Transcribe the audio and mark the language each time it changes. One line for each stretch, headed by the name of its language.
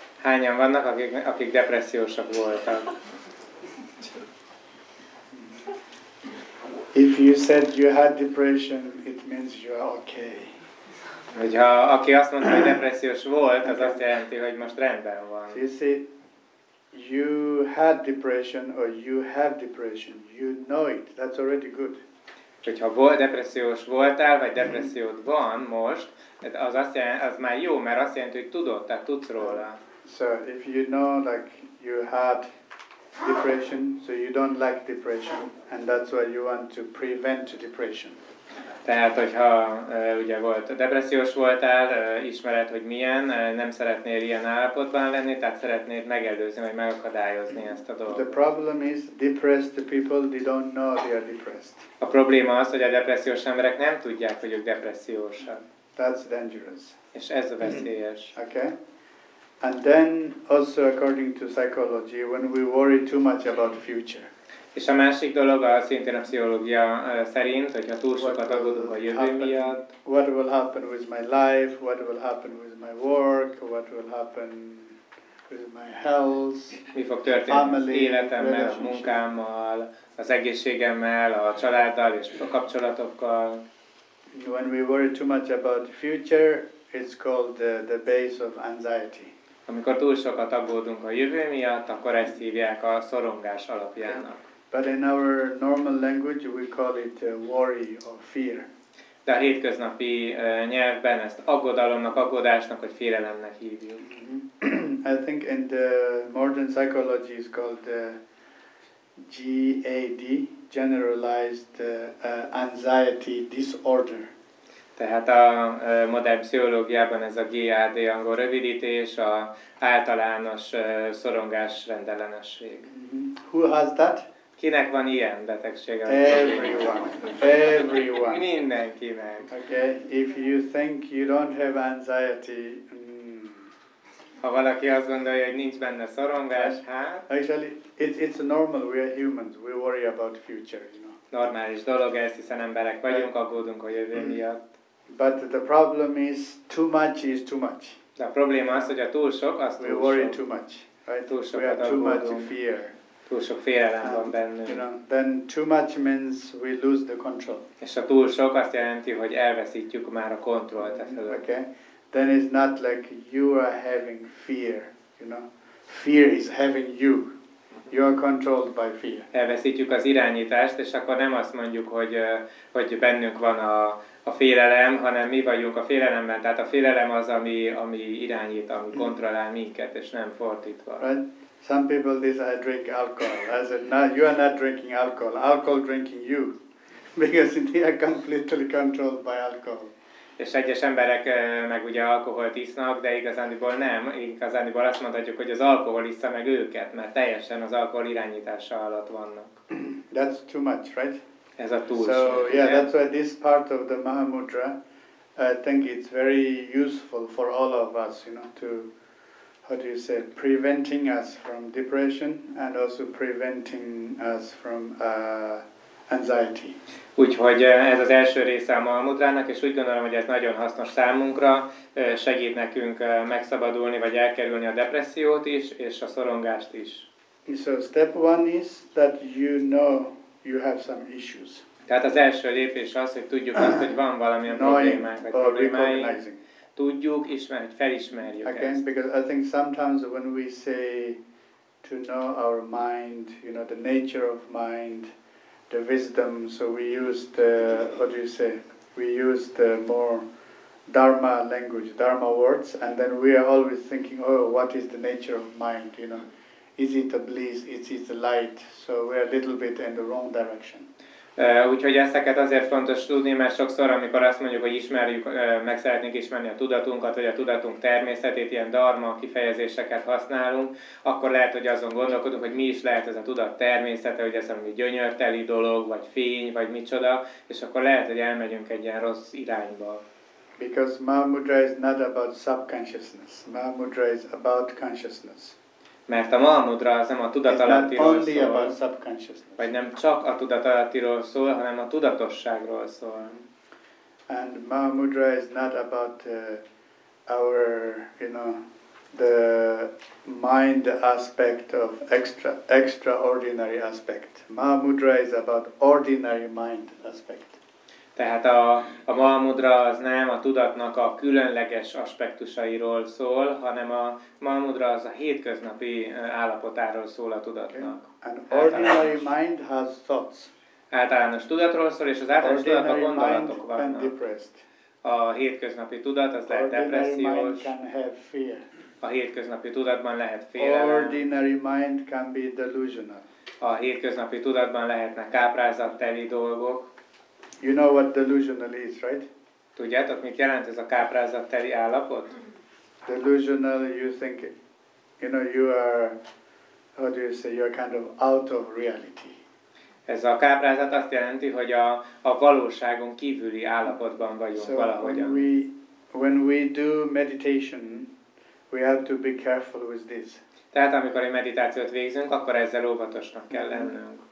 Hungarian: Hányan vannak, akik depressziósak voltak?
English: If you said you had depression, it means you are okay.
Hungarian: Hogyha aki azt mondta, hogy depressziós volt, az azt jelenti, hogy most rendben van.
English: So you see, you had depression or you have depression, you know it, that's already good.
Hungarian: Hogyha depressziós voltál, vagy depressziód van most, az azt jelenti, az már jó, mert azt jelenti, hogy tudod, tehát tudsz róla.
English: So if you know like you had depression, so you don't like depression, and that's why you want to prevent depression.
Hungarian: Tehát, hogyha ugye volt, depressziós voltál, ismered, hogy milyen, nem szeretnél ilyen állapotban lenni, tehát szeretnéd megelőzni, vagy megakadályozni ezt a dolgot.
English: The problem is, depressed people, they don't know they are depressed.
Hungarian: A probléma az, hogy a depressziós emberek nem tudják, hogy ők depressziósak.
English: That's dangerous.
Hungarian: És ez a veszélyes.
English: Okay. And then, also according to psychology, when we worry too much about the future.
Hungarian: És a másik dolog, a szintén a pszichológia szerint, hogyha túl sokat aggódunk a jövő miatt.
English: What will happen with my life? What will happen with my work? What will happen with my health?
Hungarian: Mi fog történni
English: family,
Hungarian: az életemmel, a munkámmal, az egészségemmel, a családdal és a kapcsolatokkal?
English: When we worry too much about the future, it's called the base of anxiety.
Hungarian: Amikor túl sokat aggódunk a jövő miatt, akkor ezt hívják a szorongás alapjának.
English: But in our normal language we call it worry or fear.
Hungarian: De a hétköznapi nyelvben ezt aggodalomnak, aggodásnak vagy félelemnek hívjuk.
English: I think in the modern psychology is called GAD, generalized anxiety disorder.
Hungarian: Tehát a modern pszichológiában ez a GAD angol rövidítés, a általános szorongás rendellenesség.
English: Who has that?
Hungarian: Kinek van ilyen betegsége?
English: Everyone.
Hungarian: Mindenkinek.
English: Okay, if you think you don't have anxiety,
Hungarian: ha valaki azt gondolja, hogy nincs benne szorongás,
English: Actually, it's normal, we are humans, we worry about the future, you know.
Hungarian: Normális dolog ez, hiszen emberek vagyunk, aggódunk a jövő miatt.
English: But the problem is, too much is too much.
Hungarian: De a probléma az, hogy a túl sok, az túl sok.
English: We worry
Hungarian: sok.
English: Too much. Right?
Hungarian: Túl sok
English: we have too much fear.
Hungarian: Túl sok félelem van bennünk.
English: You know, then too much means we lose the control. És a túl sok azt jelenti, hogy elveszítjük már a kontrollt. Okay. Then it's not like you are having fear. You know, fear is having you. You are controlled by fear.
Hungarian: Elveszítjük az irányítást, és akkor nem azt mondjuk, hogy bennünk van a félelem, hanem mi vagyunk a félelemben. Tehát a félelem az, ami irányít, ami kontrollál minket, és nem fordítva.
English: Right? Some people they say, I drink alcohol. I said, no, you are not drinking alcohol. Alcohol drinking you. Because they are completely controlled by alcohol.
Hungarian: És egyes emberek meg ugye alkoholt isznak, de igazándiból nem. Igazándiból azt mondhatjuk, hogy az alkohol iszta meg őket, mert teljesen az alkohol irányítása alatt vannak.
English: That's too much, right?
Hungarian: Ez a túlság.
English: So, yeah, that's why this part of the Mahamudra, I think it's very useful for all of us, you know, to, how do you say, preventing us from depression and also preventing us from anxiety.
Hungarian: Úgyhogy ez az első része a Mahamudrának, és úgy gondolom, hogy ez nagyon hasznos számunkra, segít nekünk megszabadulni, vagy elkerülni a depressziót is, és a szorongást is.
English: So step one is that you know you have some issues.
Hungarian: Tehát az első lépés az, hogy tudjuk azt, hogy van valamilyen problémáink. Tudjuk, ismerjük, felismerjük
English: again,
Hungarian: ezt.
English: Because I think sometimes when we say to know our mind, you know, the nature of mind, the wisdom, so we use the, what do you say, we use the more dharma language, dharma words, and then we are always thinking, oh, what is the nature of mind, you know, is it a bliss, is it a light, so we are a little bit in the wrong direction.
Hungarian: Úgyhogy ezeket azért fontos tudni, mert sokszor, amikor azt mondjuk, hogy ismerjük, meg szeretnénk ismerni a tudatunkat, vagy a tudatunk természetét, ilyen dharma kifejezéseket használunk, akkor lehet, hogy azon gondolkodunk, hogy mi is lehet ez a tudat természete, hogy ez ami gyönyörteli dolog, vagy fény, vagy micsoda, és akkor lehet, hogy elmegyünk egy ilyen rossz irányba.
English: Because Mahamudra is not about subconsciousness. Mahamudra is about consciousness.
Hungarian: Mert a Mahamudra az nem a tudatalattiról szól, vagy nem csak a tudatalattiról szól, hanem a tudatosságról szól.
English: And Mahamudra is not about our, you know, the mind aspect of extraordinary aspect. Mahamudra is about ordinary mind aspect.
Hungarian: Tehát a Mahamudra az nem a tudatnak a különleges aspektusairól szól, hanem a Mahamudra az a hétköznapi állapotáról szól a tudatnak.
English: An ordinary mind has thoughts.
Hungarian: Általános tudatról szól, és az általános
English: ordinary
Hungarian: tudat a gondolatok vannak.
English: Depressed.
Hungarian: A hétköznapi tudat az lehet depressziós.
English: Ordinary mind can have fear.
Hungarian: A hétköznapi tudatban lehet félelem.
English: Ordinary mind can be delusional.
Hungarian: A hétköznapi tudatban lehetnek káprázatteli dolgok.
English: You know what delusional is, right?
Hungarian: Tudjátok, mit jelent ez a káprázatteli állapot?
English: Delusional, you think, you know, you are, how do you say, you're kind of out of reality.
Hungarian: Ez a káprázat azt jelenti, hogy a valóságon kívüli állapotban vagyunk
English: so
Hungarian: valahogyan.
English: So when we do meditation, we have to be careful with this.
Hungarian: Tehát amikor egy meditációt végzünk, akkor ezzel óvatosnak kell lennünk.